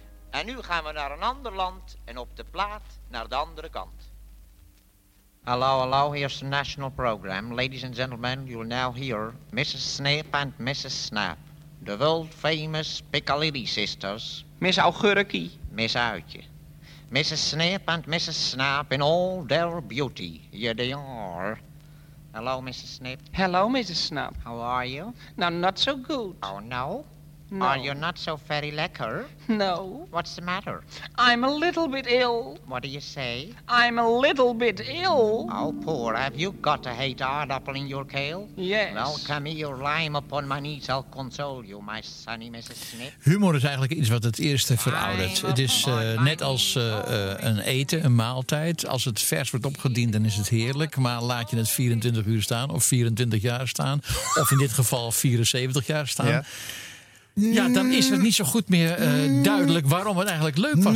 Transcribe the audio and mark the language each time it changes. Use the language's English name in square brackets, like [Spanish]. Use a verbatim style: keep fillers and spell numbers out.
[Dutch] En nu gaan we naar een ander land en op de plaat naar de andere kant. [English] Hello, hello, here's the national program. Ladies and gentlemen, you'll now hear Missus Snip and Missus Snap. The world famous Piccadilly sisters. Miss Augurkie. Miss Uitje. Missus Snip and Missus Snap in all their beauty. Here they are. Hello, Missus Snip. Hello, Missus Snap. How are you? No, not so good. Oh, no? No. Are you not so very lekker? No. What's the matter? I'm a little bit ill. What do you say? I'm a little bit ill. Oh, poor. Have you got a hate hard apple in your kale? Yes. Well, come here, lime upon my knees. I'll console you, my sonny, Missus Snip. [Dutch] Humor is eigenlijk iets wat het eerste veroudert. Het is uh, net als uh, uh, een eten, een maaltijd. Als het vers wordt opgediend, dan is het heerlijk. Maar laat je het vierentwintig uur staan of vierentwintig jaar staan. Of in dit geval vierenzeventig jaar staan. Ja. Ja, dan is het niet zo goed meer uh, duidelijk waarom het eigenlijk leuk was